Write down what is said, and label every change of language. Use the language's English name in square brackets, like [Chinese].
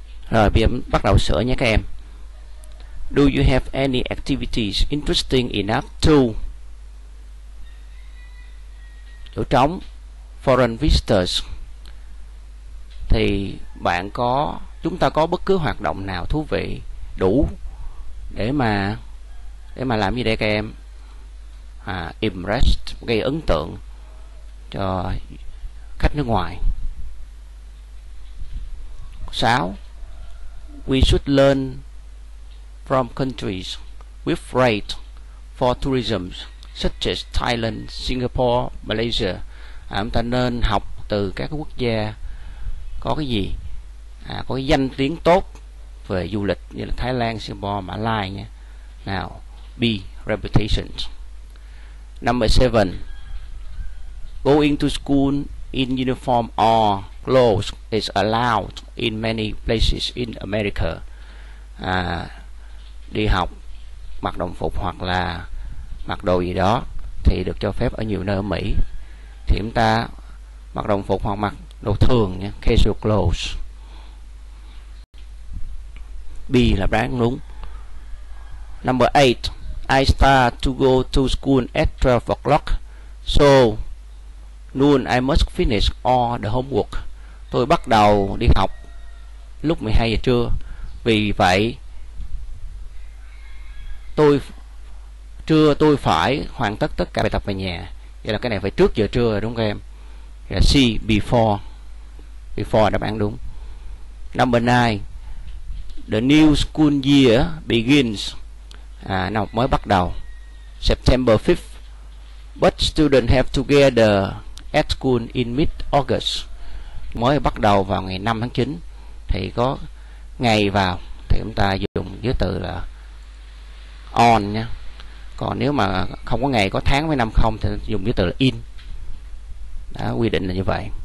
[Vietnamese] Rồi bây giờ bắt đầu sửa nhé các em. [English] Do you have any activities interesting enough to? [Vietnamese] Chỗ trống [English] foreign visitors. [Vietnamese] Thì bạn có, chúng ta có bất cứ hoạt động nào thú vị đủ để mà làm gì đây các em? Impress, gây ấn tượng cho khách nước ngoài. 6. [English] We should learn from countries with great for tourism such as Thailand, Singapore, Malaysia. [Vietnamese] Chúng ta nên học từ các quốc gia có cái gì? Có cái danh tiếng tốt về du lịch như là Thái Lan, Singapore, Mã Lai nha. [English] Nào, B, reputation. Number 7. Going to school in uniform or clothes is allowed in many places in America. [Vietnamese] Đi học mặc đồng phục hoặc là mặc đồ gì đó thì được cho phép ở nhiều nơi ở Mỹ. Thì chúng ta mặc đồng phục hoặc mặc đồ thường nha, [English] casual clothes. [Vietnamese] B là đáp đúng. [English] Number 8. I start to go to school at 12 o'clock. So noon I must finish all the homework. [Vietnamese] Tôi bắt đầu đi học lúc 12 giờ trưa. Vì vậy tôi phải hoàn tất tất cả bài tập về nhà. Vậy là cái này phải trước giờ trưa đúng không em? Là C, before. Before đáp án đúng. [English] Number 9. The new school year begins. [Vietnamese] Năm học mới bắt đầu [English] September 5th. But students have to gather at school in mid-August. [Vietnamese] Mới bắt đầu vào ngày 5 tháng 9 thì có ngày vào, thì chúng ta dùng với từ là on nha. Còn nếu mà không có ngày, có tháng với năm không, thì dùng với từ là in. Đó, quy định là như vậy.